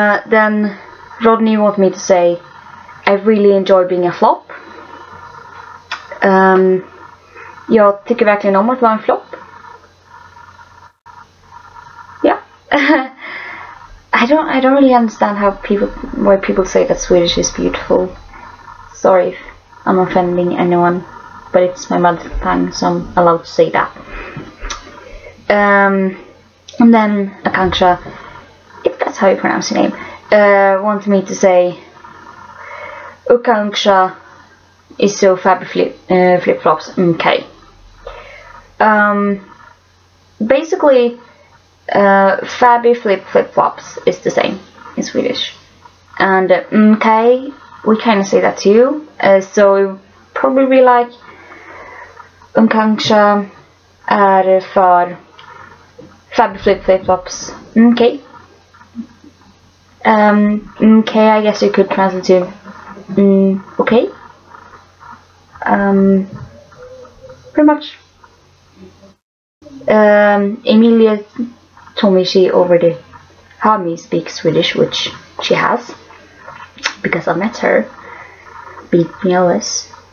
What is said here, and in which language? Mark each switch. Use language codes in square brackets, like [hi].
[en] Then Rodney wanted me to say I really enjoy being a flop. [sv] Jag tycker verkligen om att vara en flop. [en] Yeah. I don't really understand how why people say that Swedish is beautiful. Sorry if I'm offending anyone, but it's my mother tongue, so I'm allowed to say that. And then Akanksha, if that's how you pronounce your name, wants me to say Ukanksha is so fabulous, flip-flops, okay. Basically, fabby flip-flops is the same in Swedish. And okay, we kind of say that too. So it would probably be like Ukanksha [sv] är för [en] fabby flip-flops, okay. Okay, I guess you could translate to okay. Pretty much. Emilia told me she already heard me speak Swedish, which she has, because I met her. Beat me always.